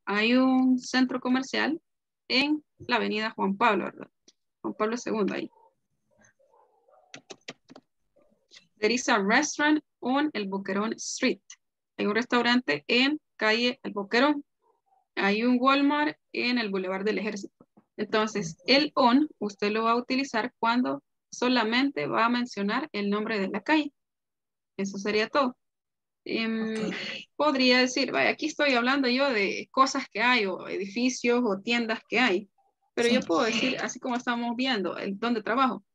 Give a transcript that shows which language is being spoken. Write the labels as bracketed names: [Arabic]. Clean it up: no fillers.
[Spanish] Hay un centro comercial en la avenida Juan Pablo, ¿verdad? Juan Pablo II ahí. [English] There is a restaurant on El Boquerón Street. [Spanish] Hay un restaurante en calle El Boquerón. Hay un Walmart en el Boulevard del Ejército. Entonces, el on usted lo va a utilizar cuando solamente va a mencionar el nombre de la calle. Eso sería todo. Okay. Podría decir, vaya, aquí estoy hablando yo de cosas que hay, o edificios, o tiendas que hay, pero sí, yo puedo decir, así como estamos viendo, ¿dónde trabajo?